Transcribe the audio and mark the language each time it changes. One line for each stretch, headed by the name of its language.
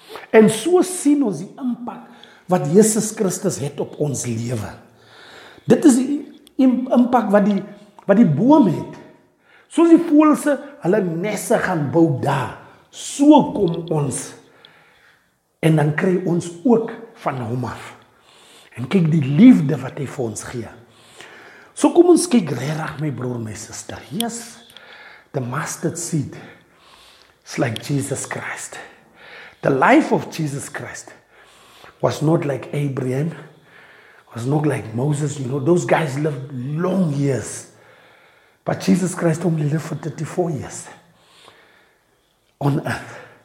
Afrikaans: En so sien ons die impak wat Jesus Christus het op ons lewe. Dit is die impak wat die boom het. Soos die voëlse hulle nesse gaan bou daar, so kom ons. En dan kry ons ook van hom af. En kyk die liefde wat hy vir ons gee. So kom ons kyk regtig, my broer, my suster.
English: Yes, the mustard seed is like Jesus Christ. The life of Jesus Christ was not like Abraham, was not like Moses. You know, those guys lived long years. But Jesus Christ only lived for 34 years on earth.